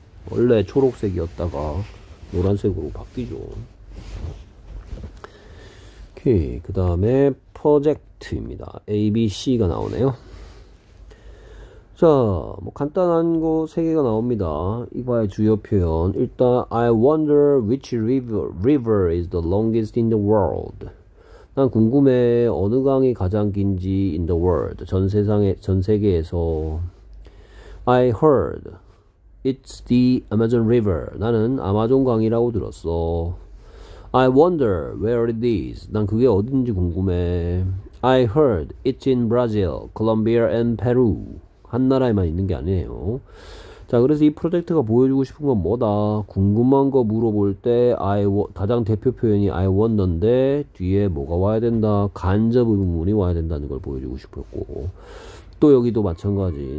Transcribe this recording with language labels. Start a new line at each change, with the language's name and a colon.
Korean: 원래 초록색이었다가 노란색으로 바뀌죠. 오케이. 그 다음에 project입니다. A, B, C가 나오네요. 자, 뭐 간단한 거 세 개가 나옵니다. 이거의 주요 표현. 일단,
English: I wonder which river is the longest in the world.
Korean: 난 궁금해. 어느 강이 가장 긴지
English: in the world.
Korean: 전 세상에, 전 세계에서.
English: I heard. It's the Amazon River.
Korean: 나는 아마존 강이라고 들었어.
English: I wonder where it is.
Korean: 난 그게 어딘지 궁금해.
English: I heard it's in Brazil, Colombia and Peru.
Korean: 한 나라에만 있는 게 아니에요. 자, 그래서 이 프로젝트가 보여주고 싶은 건 뭐다? 궁금한 거 물어볼 때 가장 대표 표현이 I wonder인데 뒤에 뭐가 와야 된다? 간접 의문이 와야 된다는 걸 보여주고 싶었고 또 여기도 마찬가지.